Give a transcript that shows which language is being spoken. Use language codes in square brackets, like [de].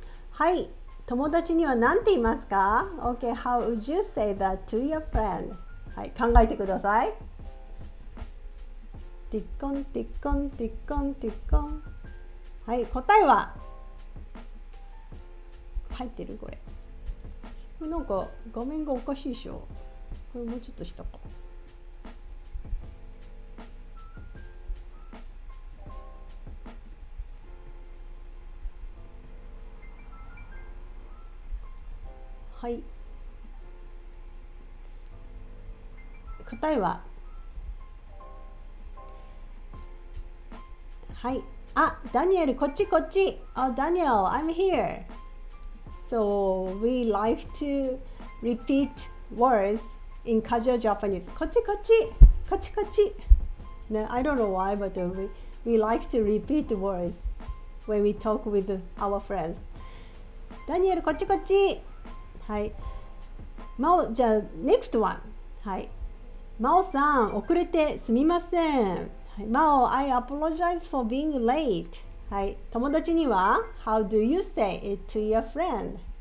[ja] はい。友達には何て言いますか [en] ?Okay, how would you say that to your friend? [ja] はい、考えてください。ティッコンティッコンティッコンティッコン。はい、答えは入ってるこれ。なんか画面がおかしいでしょ。これもうちょっとしたか。はい。答えは、はい、あ、ダニエル、こっちこっち、 [en] あ、ダニエル、I'm here. So we like to repeat words in casual Japanese. [ja] こっちこっち、こっちこっち。ね、 [en] I don't know why, but we like to repeat words when we talk with our friends. [ja] ダニエル、こっちこっち。はい。まあ、じゃあ [en] next one。 [ja] はい。マオさん、遅れてすみません。 [en] マオ、I apologize for being late. [ja] はい、友達には、 [en] How do you say it to your friend?